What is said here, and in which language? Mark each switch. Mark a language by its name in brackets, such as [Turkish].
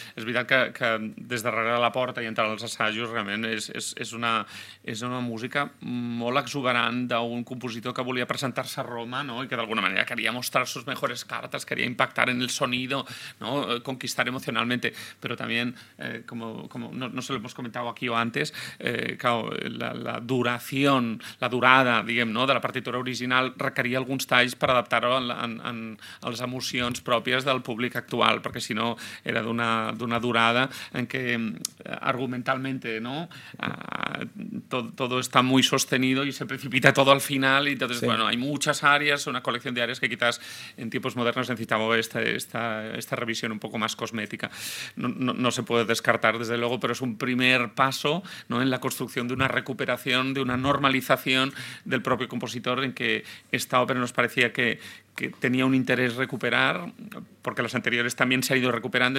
[Catalan] És veritat que des de darrere la porta i entre els assajos, realment, és una música molt exuberant d'un compositor que volia presentar-se a Roma, no? I que d'alguna manera [Spanish] quería mostrar sus mejores cartas, quería impactar en el sonido, no? Conquistar emocionalmente. [Catalan] Però també, [Spanish] no se lo hemos comentado aquí o antes, [Catalan] la durada, diguem, no? De la partitura original requeria alguns talls per adaptar-ho en els emocions pròpies del públic actual, perquè si no era d'una durada en què argumentalmente, no? [Spanish] Todo está muy sostenido y se precipita todo al final y entonces, sí. Bueno, hay muchas áreas, una colección de áreas que quizás en tiempos modernos necesitaba esta revisión un poco más cosmética. No se puede descartar, desde luego, pero es un primer paso, ¿no? En la construcción de una recuperación, de una normalización del propio compositor en que esta ópera nos parecía que tenía un interés recuperar, porque las anteriores también se han ido recuperando.